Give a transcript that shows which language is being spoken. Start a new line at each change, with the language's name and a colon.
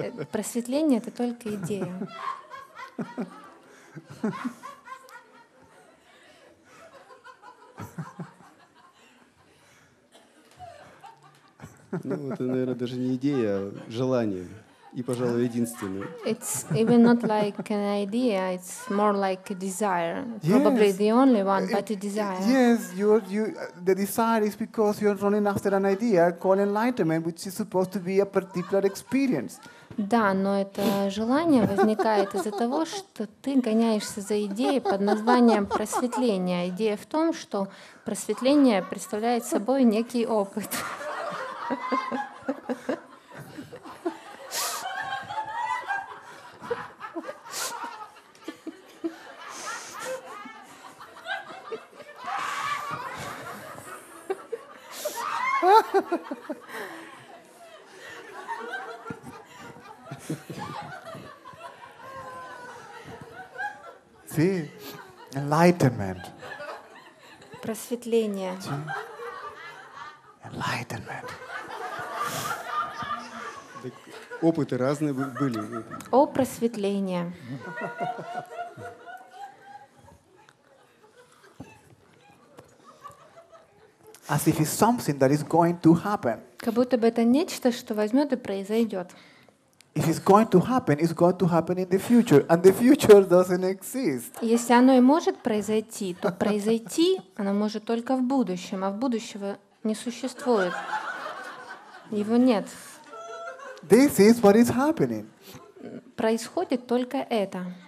Russian: Просветление — это только идея. Ну, это, наверное, даже не идея, а желание. И, пожалуй, единственное.
English: It's even not like an idea, it's more like a desire. Probably the only one, but a desire. Yes, the desire is because you're running after an idea called enlightenment, which is supposed to be a particular experience.
Russian: Да, но это желание возникает из-за того, что ты гоняешься за идеей под названием просветление. Идея в том, что просветление представляет собой некий опыт.
English: See, enlightenment.
Russian: Просветление.
English: Enlightenment.
Russian: Опыты разные были. О просветлении.
English: As if it's something that is going to happen.
Russian: Как будто бы это нечто, что возьмет и произойдет.
English: If it's going to happen, it's going to happen in the future, and the future doesn't exist.
Russian: Если оно и может произойти, то произойти оно может только в будущем, а в будущем не существует. Его нет.
English: This is what is happening.
Russian: Происходит только это.